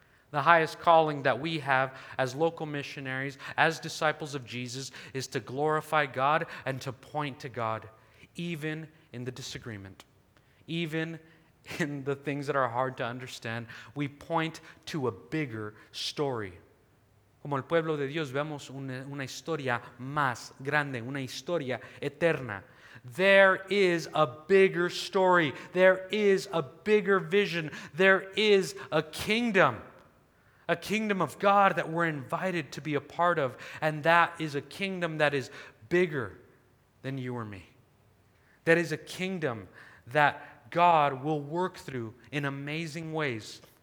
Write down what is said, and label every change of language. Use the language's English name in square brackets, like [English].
[English] The highest calling that we have as local missionaries, as disciples of Jesus, is to glorify God and to point to God, even in the disagreement. Even in the things that are hard to understand, we point to a bigger story. [Spanish] Como el pueblo de Dios, vemos una historia más grande, una historia eterna. [English] There is a bigger story. There is a bigger vision. There is a kingdom of God that we're invited to be a part of, and that is a kingdom that is bigger than you or me. That is a kingdom that God will work through in amazing ways.